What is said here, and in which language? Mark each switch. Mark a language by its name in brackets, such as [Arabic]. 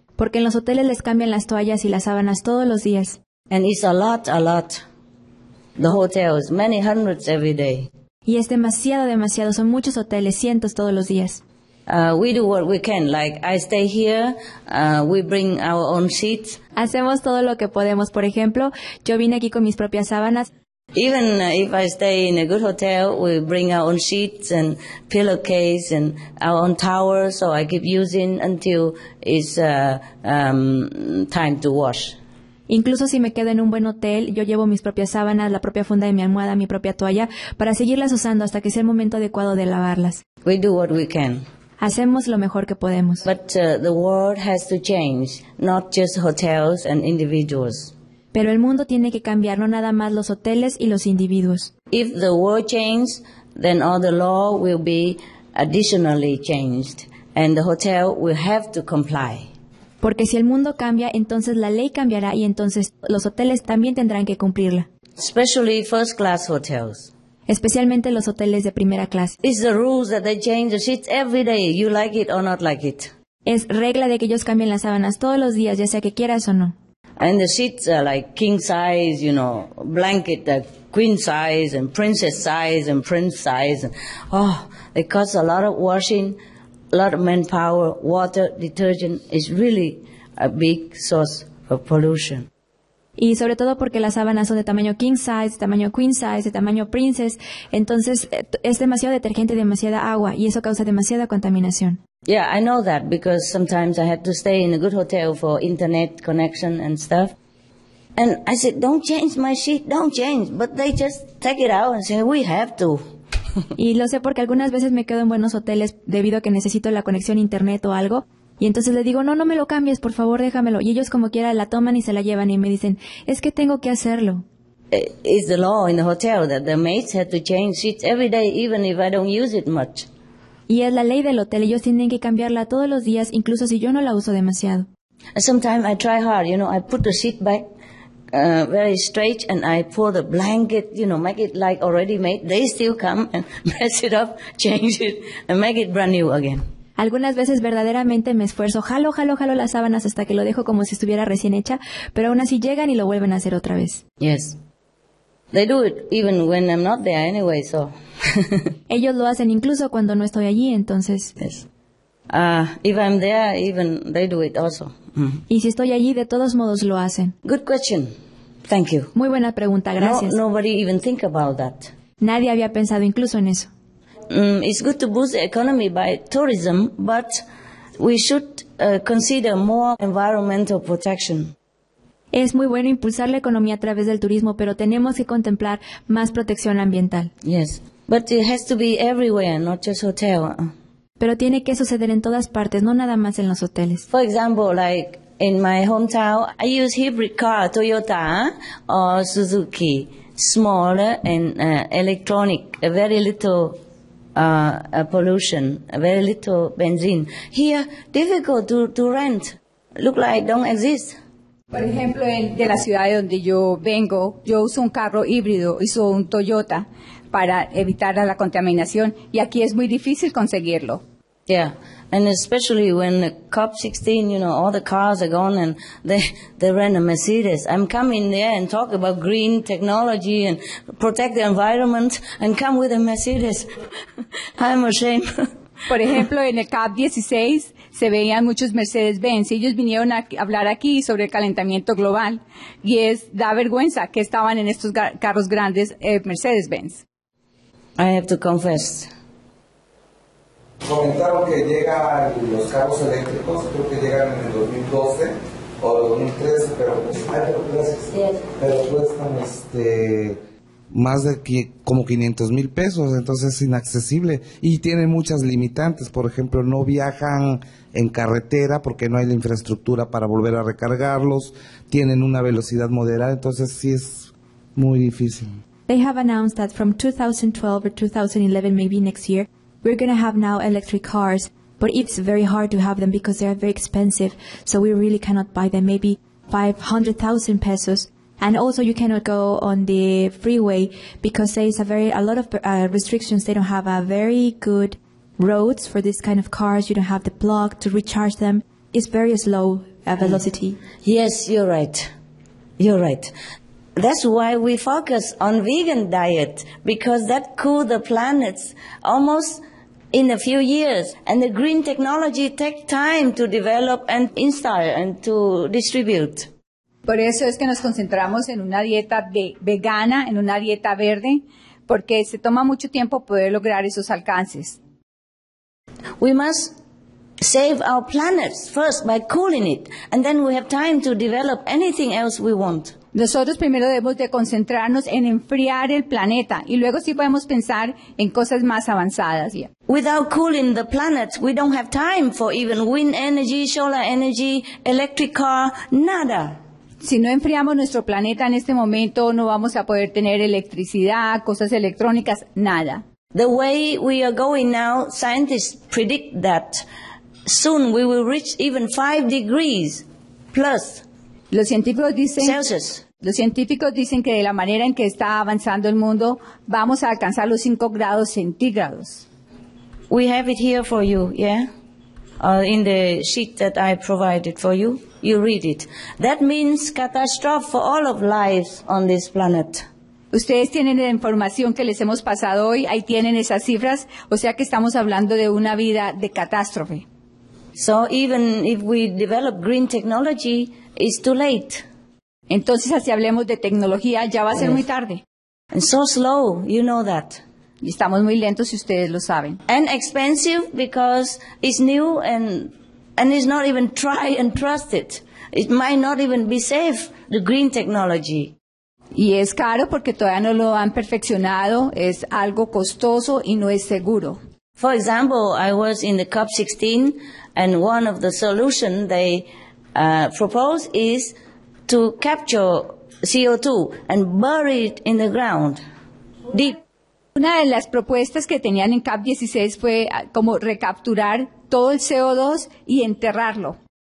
[Spanish] Porque en los hoteles les cambian las toallas y las sábanas todos los días. [English] And it's a lot. The hotels, many hundreds every day. [Spanish] Y es demasiado, son muchos hoteles, cientos todos los días. [English] We do what we can. Like, I stay here, we bring our own sheets. [Spanish] Hacemos todo lo que podemos. Por ejemplo, yo vine aquí con mis propias sábanas. [English] Even if I stay in a good hotel, we bring our own sheets and pillowcase and our own towel, so I keep using until it's time to wash. [Spanish] Incluso si me quedo en un buen hotel, yo llevo mis propias sábanas, la propia funda de mi almohada, mi propia toalla, para seguirlas usando hasta que sea el momento adecuado de lavarlas. [English] We do what we can. [Spanish] Hacemos lo mejor que podemos. [English] But the world has to change, not just hotels and individuals. [Spanish] Pero el mundo tiene que cambiar, no nada más los hoteles y los individuos. [English] If the world changes, then all the law will be additionally changed, and the hotel will have to comply. [Spanish] Porque si el mundo cambia, entonces la ley cambiará y entonces los hoteles también tendrán que cumplirla. [English] Especially first class hotels. [Spanish] Especialmente los hoteles de primera clase. [English] It's the rules that they change the sheets every day, you like it or not like it. [Spanish] Es regla de que ellos cambien las sábanas todos los días, ya sea que quieras o no. [English] And the sheets are like king size, you know, blanket, queen size and princess size and prince size. Oh, it costs a lot of washing, a lot of manpower, water, detergent. It's really a big source of pollution. [Spanish] Y sobre todo porque las sábanas son de tamaño king size, de tamaño queen size, de tamaño princess. Entonces es demasiado detergente, demasiada agua, y eso causa demasiada contaminación. [English] Yeah, I know that because sometimes I had to stay in a good hotel for internet connection and stuff. And I said, don't change my sheet, don't change. But they just take it out and say, we have to. [Spanish] Y lo sé porque algunas veces me quedo en buenos hoteles debido a que necesito la conexión a internet o algo. Y entonces le digo, no me lo cambies, por favor, déjamelo. Y ellos como quiera la toman y se la llevan y me dicen, es que tengo que hacerlo. [English] It's the law in the hotel that the maids have to change sheets every day, even if I don't use it much. [Spanish] Y es la ley del hotel, ellos tienen que cambiarla todos los días, incluso si yo no la uso demasiado. [English] Sometimes I try hard, you know, I put the sheet back very straight and I pull the blanket, you know, make it like already made. They still come and mess it up, change it and make it brand new again. [Spanish] Algunas veces verdaderamente me esfuerzo, jalo las sábanas hasta que lo dejo como si estuviera recién hecha, pero aún así llegan y lo vuelven a hacer otra vez. [English] Yes. They do it even when I'm not there anyway, so. [Spanish] Ellos lo hacen incluso cuando no estoy allí, entonces. [English] Yes. If I'm there, even they do it also. [Spanish] Y si estoy allí, de todos modos lo hacen. [English] Good question. Thank you. [Spanish] Muy buena pregunta, gracias. [English] No, nobody even think about that. [Spanish] Nadie había pensado incluso en eso. [English] It's good to boost the economy by tourism, but we should consider more environmental protection. [Spanish] Es muy bueno impulsar la economía a través del turismo, pero tenemos que contemplar más protección ambiental. [English] Yes, but it has to be everywhere, not just hotel. [Spanish] Pero tiene que suceder en todas partes, no nada más en los hoteles. [English] For example, like in my hometown, I use hybrid car, Toyota or Suzuki, smaller and electronic, a very little a pollution, a very little benzene. Here, difficult to rent. Look like don't exist. [Spanish] Por ejemplo, de la ciudad de donde yo vengo, yo uso un carro híbrido, uso un Toyota para evitar la contaminación y aquí es muy difícil conseguirlo. [English] Yeah, and especially when COP16, you know, all the cars are gone and they rent a Mercedes. I'm coming there and talk about green technology and protect the environment and come with a Mercedes. I'm ashamed. [Spanish] Por ejemplo, en el COP16 se veían muchos Mercedes-Benz. Ellos vinieron a hablar aquí sobre el calentamiento global y es da vergüenza que estaban en estos carros grandes Mercedes-Benz. [English] I have to confess. [Spanish] Comentaron que llegan los carros eléctricos, creo que llegan en el 2012 o 2013, pero pues, ay, pero gracias. [English] Yes. [Spanish] Pero cuestan más de como 500 mil pesos, entonces es inaccesible. Y tiene muchas limitantes, por ejemplo, no viajan en carretera porque no hay la infraestructura para volver a recargarlos, tienen una velocidad moderada, entonces sí es muy difícil. [English] They have announced that from 2012 or 2011, maybe next year, we're going to have now electric cars, but it's very hard to have them because they are very expensive, so we really cannot buy them, maybe 500,000 pesos. And also you cannot go on the freeway because there is a lot of restrictions. They don't have a very good roads for this kind of cars. You don't have the plug to recharge them. It's very slow velocity. Yes, you're right. You're right. That's why we focus on vegan diet, because that cools the planets almost in a few years. And the green technology takes time to develop and install and to distribute. [Spanish] Por eso es que nos concentramos en una dieta vegana, en una dieta verde, porque se toma mucho tiempo poder lograr esos alcances. [English] We must save our planet first by cooling it, and then we have time to develop anything else we want. [Spanish] Nosotros primero debemos de concentrarnos en enfriar el planeta y luego sí podemos pensar en cosas más avanzadas. [English] Without cooling the planet, we don't have time for even wind energy, solar energy, electric car, [Spanish] nada. Si no enfriamos nuestro planeta en este momento, no vamos a poder tener electricidad, cosas electrónicas, nada. [English] The way we are going now, scientists predict that soon we will reach even 5 degrees plus. [Spanish] Los científicos dicen que de la manera en que está avanzando el mundo, vamos a alcanzar los 5 grados centígrados. [English] We have it here for you, yeah? In the sheet that I provided for you. You read it. That means catastrophe for all of lives on this planet. [Spanish] Ustedes tienen la información que les hemos pasado hoy. Ahí tienen esas cifras. O sea que estamos hablando de una vida de catástrofe. [English] So even if we develop green technology, it's too late. [Spanish] Entonces, así hablemos de tecnología, ya va a ser muy tarde. [English] And so slow, you know that. [Spanish] Y estamos muy lentos, si ustedes lo saben. [English] And expensive because it's new and it's not even tried and trusted. It might not even be safe, the green technology. [Spanish] Y es caro porque todavía no lo han perfeccionado. Es algo costoso y no es seguro. [English] For example, I was in the COP16 and one of the solutions they propose is to capture CO2 and bury it in the ground. Deep. [Spanish] Una de las propuestas que tenían en COP16 fue como recapturar todo el CO2 y enterrarlo.